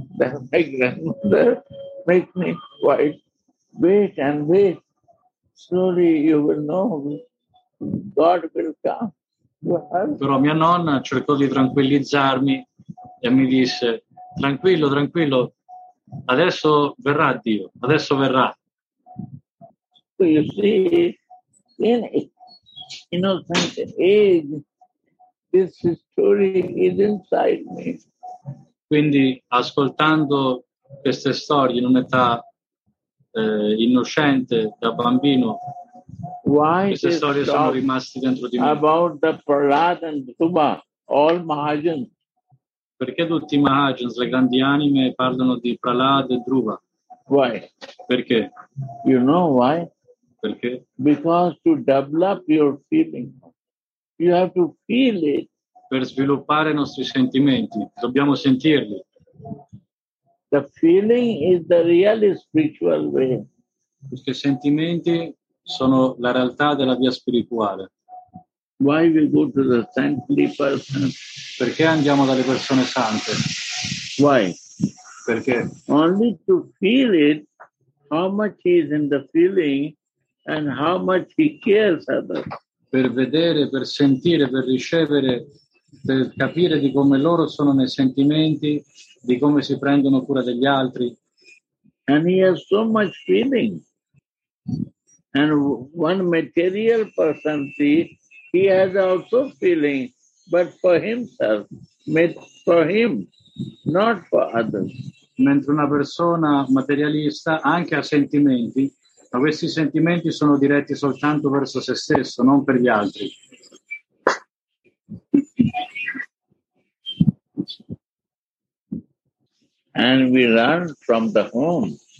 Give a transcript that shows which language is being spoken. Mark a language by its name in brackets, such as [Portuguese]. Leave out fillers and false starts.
[English] My grandmother made me quiet. Wait and wait. Slowly you will know God will come. [Italian] Però mia nonna cercò di tranquillizzarmi e mi disse, tranquillo, tranquillo, adesso verrà Dio, adesso verrà. [English] You see, innocent age, this story is inside me. [Italian] Quindi ascoltando queste storie in un'età innocente da bambino, [English] why [Italian] queste storie sono rimaste dentro di me. [English] About the Prahlad and Dhruva, all Mahajans. [Italian] Perché tutti i Mahajans, le grandi anime, parlano di Prahlad e Dhruva? [English] Why? [Italian] Perché? [English] You know why? [Italian] Perché? [English] Because to develop your feeling, you have to feel it. [Italian] Per sviluppare i nostri sentimenti, dobbiamo sentirli. [English] The feeling is the real spiritual way. [Italian] Questi sentimenti sono la realtà della via spirituale. [English] Why we go to the saintly person? [Italian] Perché andiamo dalle persone sante? [English] Why? [Italian] Perché? [English] Only to feel it, how much is in the feeling. And how much he cares about. [Italian] Per vedere, per sentire, per ricevere, per capire di come loro sono nei sentimenti, di come si prendono cura degli altri. [English] And he has so much feeling. And one material person, see, he has also feeling, but for himself, made for him, not for others. [Italian] Mentre una persona materialista anche ha sentimenti, ma questi sentimenti sono diretti soltanto verso se stesso, non per gli altri. [English] And we learn from the home.